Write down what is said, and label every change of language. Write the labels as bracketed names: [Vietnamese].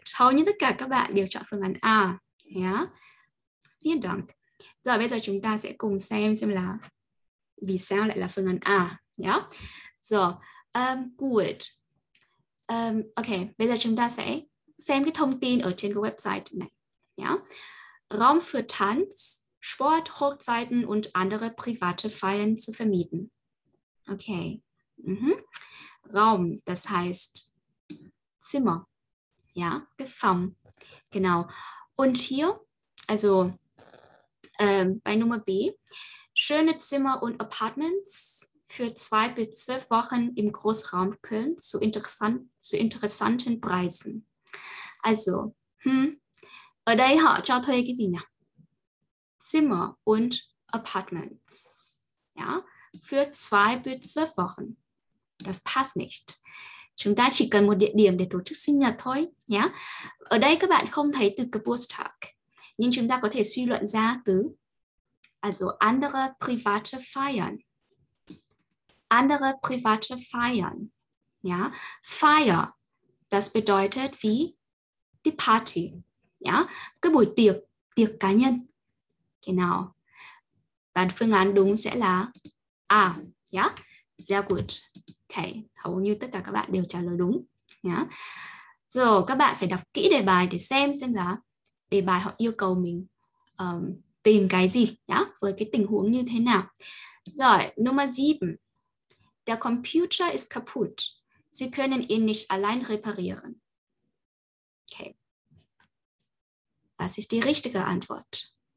[Vietnamese] Hầu như tất cả các bạn đều chọn phương án A. Yeah. [German] Vielen Dank. [Vietnamese] Giờ bây giờ chúng ta sẽ cùng xem là vì sao lại là phương án A nhé. Giờ, good. Ok, bây giờ chúng ta sẽ xem cái thông tin ở trên cái website này nhé. [German] Raum für Tanz, Sport, Hochzeiten und andere private Feiern zu vermieten. Ok. Raum, das heißt Zimmer. Ja, Gefang. Genau. Und hier, also bei Nummer B, schöne Zimmer und Apartments für 2 bis 12 Wochen im Großraum Köln zu interessanten Preisen. [Vietnamese] Also, ở đây họ cho thuê cái gì nhỉ? [German] Zimmer und Apartments. Ja, für 2 bis 12 Wochen. Das passt nicht. [Vietnamese] Chúng ta chỉ cần một địa điểm để tổ chức sinh nhật thôi. Ja? Ở đây các bạn không thấy từ Geburtstag. Nhưng chúng ta có thể suy luận ra từ [German] also andere private feiern. Andere private feiern. Ja? Feier, das bedeutet wie die Party. Ja? [Vietnamese] Cái buổi tiệc, tiệc cá nhân. Genau. Và phương án đúng sẽ là A. Ja? [German] Sehr gut. [Vietnamese] Okay. Hầu như tất cả các bạn đều trả lời đúng. Ja? So, các bạn phải đọc kỹ đề bài để xem là đề bài họ yêu cầu mình tìm cái gì nhá, với cái tình huống như thế nào. Rồi, Nummer 7. [German] Der Computer ist kaputt. Sie können ihn nicht allein reparieren. Okay. Was ist die richtige Antwort?